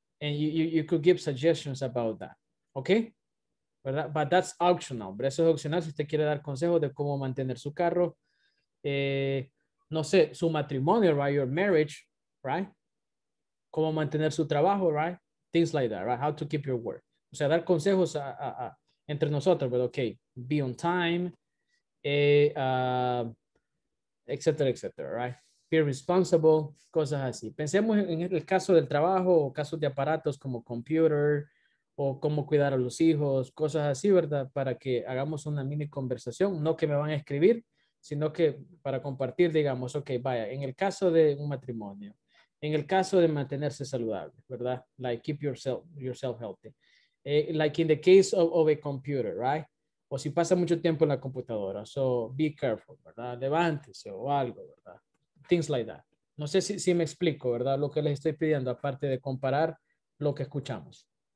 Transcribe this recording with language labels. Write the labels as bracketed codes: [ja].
[en] And you could give suggestions about that, okay? [es] ¿Verdad? [en] But that's optional. [es] Pero eso es opcional si usted quiere dar consejos de cómo mantener su carro. No sé, su matrimonio, [en] right? Your marriage, right? [es] Cómo mantener su trabajo, [en] right? Things like that, right? How to keep your work. [es] O sea, dar consejos a entre nosotros, pero okay, [en] be on time, [es] etcétera, etcétera, [en] right? Be responsible, [es] cosas así. Pensemos en el caso del trabajo o casos de aparatos como computer o cómo cuidar a los hijos, cosas así, ¿verdad? Para que hagamos una mini conversación, no que me van a escribir, sino que para compartir, digamos, ok, vaya, en el caso de un matrimonio, en el caso de mantenerse saludable, ¿verdad? [en] Like, keep yourself healthy. Like in the case of a computer, right? [es] O si pasa mucho tiempo en la computadora, [en] so be careful, [es] ¿verdad? Levántese o algo, ¿verdad? [en] Things like that. [es] No sé si me explico, ¿verdad? Lo que les estoy pidiendo, aparte de comparar lo que escuchamos.